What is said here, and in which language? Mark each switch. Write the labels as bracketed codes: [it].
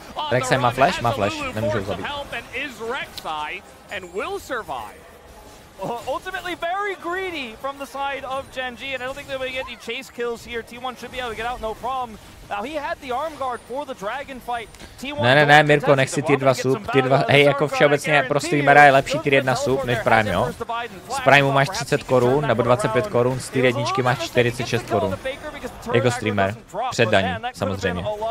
[cs] Rek'Sai má flash, nemůže ho zabít. [en] And will survive. Ultimately very greedy from the side of Genji, and I don't think they're going to get any chase kills here. T1 should be able to get out no problem. Now he had the arm guard for the dragon fight. [cs] Ne, Mirko, nech si T2 sup. T2, hej, jako všeobecně pro streamera je lepší T1 sup než Prime, jo? S Prime máš 30 korun nebo 25 korun, s T1 máš 46 korun. Jako streamer, před daní, samozřejmě.